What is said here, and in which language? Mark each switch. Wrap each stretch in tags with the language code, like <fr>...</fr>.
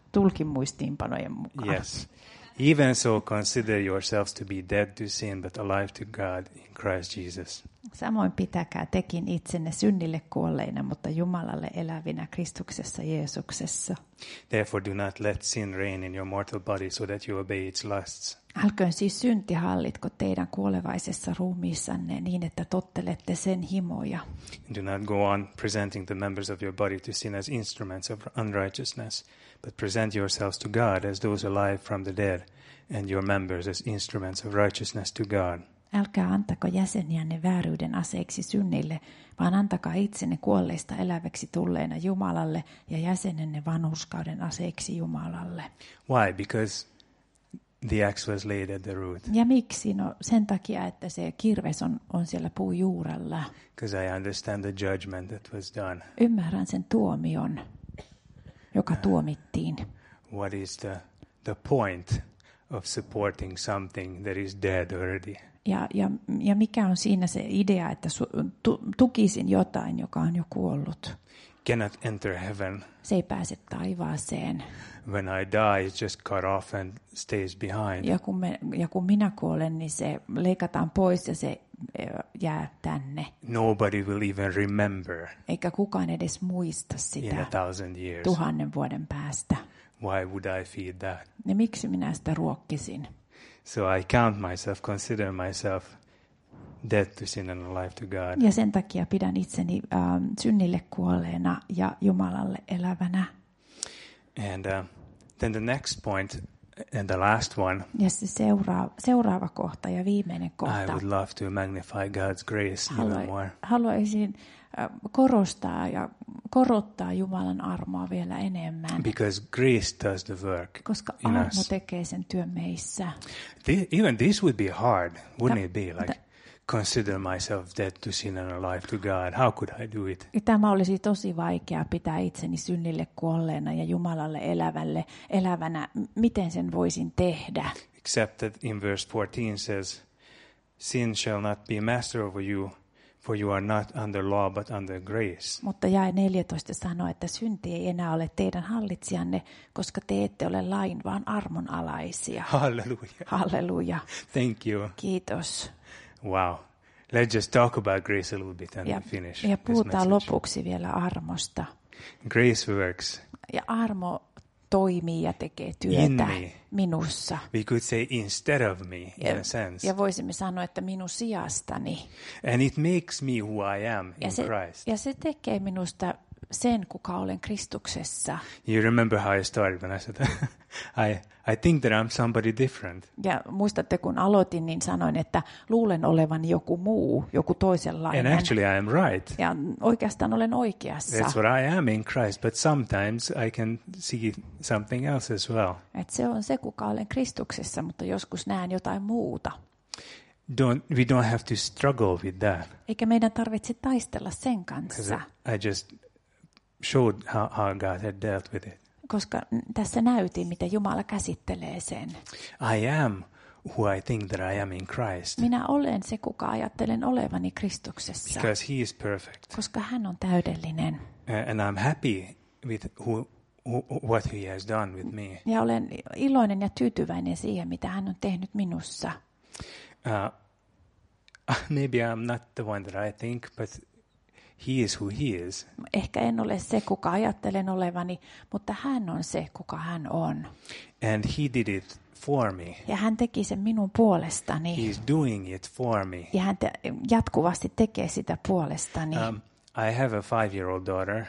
<fi>Tulkin muistiinpanojen mukaan.</fi> <en>Yes. Even so, consider yourselves to be dead to sin, but alive to God in Christ Jesus.</en> <fi>Samoin pitäkää tekin itsenne synnille kuolleina, mutta Jumalalle elävinä Kristuksessa Jeesuksessa.</fi> <en>Therefore, do not let sin reign in your mortal body, so that you obey its lusts.</en> <fi>Älköön siis synti hallitko teidän kuolevaisessa ruumiissanne niin, että tottelette sen himoja.</fi> <en>Do not go on presenting the members of your body to sin as instruments of unrighteousness, but present yourselves to God as those alive from the dead, and your members as instruments of righteousness to God.</en> <fi>Älkää antako jäseniänne vääryyden aseeksi synnille, vaan antakaa itsenne kuolleista eläväksi tulleena Jumalalle ja jäsenenne vanhurskauden aseeksi Jumalalle.</fi> <en>Why? Because the axe was laid at the root.</en> <fi>Ja miksi? No sen takia, että se kirves on siellä puun juurella.</fi> <en>Because I understand the judgment that was done.</en> <fi>Ymmärrän sen tuomion, joka tuomittiin.</fi> <en>What is the point of supporting something that is dead already?</en> <fi>Ja mikä on siinä se idea, että tukisin jotain, joka on jo kuollut?</fi> <en>Cannot enter heaven.</en> <fi>Se ei pääse taivaaseen.</fi> <en>When I die, it's just cut off and stays behind.</en> <fi>Ja kun minä kuolen, niin se leikataan pois ja se jää tänne.</fi> <en>Nobody will even remember.</en> <fi>Eikä kukaan edes muista sitä.</fi> <en>In 1,000 years.</en> <fi>Tuhannen vuoden päästä.</fi> <en>Why would I feed that?</en> <fi>Ja miksi minä sitä ruokkisin?</fi> <en>So I count myself, consider myself dead to sin and alive to God.</en> <fi>Ja sen takia pidän itseni synnille kuolleena ja Jumalalle elävänä.</fi> <en>And then the next point and the last one.</en> <fi>Ja se seuraava kohta ja viimeinen kohta.</fi> <en>I would love to magnify God's grace even more.</en> <fi>Haluaisin korostaa ja korottaa Jumalan armoa vielä enemmän.</fi> <en>Because grace does the work.</en> <fi>Koska armo tekee sen työn meissä.</fi> <en>Even this would be hard, wouldn't it be? Like consider myself dead to sin and alive to God. How could I do it?</en> <fi>Tämä olisi tosi vaikeaa pitää itseni synnille kuolleena ja Jumalalle elävänä. Miten sen voisin tehdä?</fi> <en>Except that in verse 14 says, sin shall not be master over you. For you are not under law but under grace.</en> <fi>Mutta jae 14 sanoo, että synti ei enää ole teidän hallitsijanne, koska te ette ole lain, vaan armon alaisia. Halleluja. Halleluja.</fi> <en>Thank you.</en> <fi>Kiitos.</fi> <en>Wow. Let's just talk about grace a little bit and</en> <fi>ja,</fi> <en>finish.</en> <fi>Ja puhutaan lopuksi vielä armosta.</fi> <en>Grace works.</en> <fi>Ja armo toimii ja tekee työtä</fi> <en>in</en> <fi>minussa.</fi> <en>We could say instead of me, ja, in a sense.</en> <fi>Ja voisimme sanoa, että minun sijastani.</fi> <en>And it makes me who I am in</en> <fi>se,</fi> <en>Christ.</en> <fi>Ja se tekee minusta sen, kuka olen Kristuksessa.</fi> <en>You remember how I started when I said I think that I'm somebody different.</en> <fi>Ja muistatte, kun aloitin, niin sanoin, että luulen olevan joku muu, joku toisenlainen.</fi> <en>And actually I am right.</en> <fi>Ja oikeastaan olen oikeassa.</fi> <en>That's what I am in Christ, but sometimes I can see something else as well.</en> <fi>Et se on se, kuka olen Kristuksessa, mutta joskus näen jotain muuta.</fi> <en>We don't have to struggle with that.</en> <fi>Eikä meidän tarvitse taistella sen kanssa.</fi> <en>I just showed how God had dealt with it.</en> <fi>Koska tässä näytin, miten Jumala käsittelee sen.</fi> <en>I am who I think that I am in Christ.</en> <fi>Minä olen se, kuka ajattelen olevani Kristuksessa.</fi> <en>Because he is perfect.</en> <fi>Koska hän on täydellinen.</fi> <en>And I'm happy with what he has done with me.</en> <fi>Ja olen iloinen ja tyytyväinen siihen, mitä hän on tehnyt minussa.</fi> <en>Maybe I'm not the one that I think, but he is who he is.</en> <fi>Ehkä en ole se, kuka ajattelen olevani, mutta hän on se, kuka hän on.</fi> <en>And he did it for me.</en> <fi>Ja hän teki sen minun puolestani.</fi> <en>He is doing it for me.</en> <fi>Ja hän jatkuvasti tekee sitä puolestani.</fi> <en>I have a 5-year-old daughter.</en>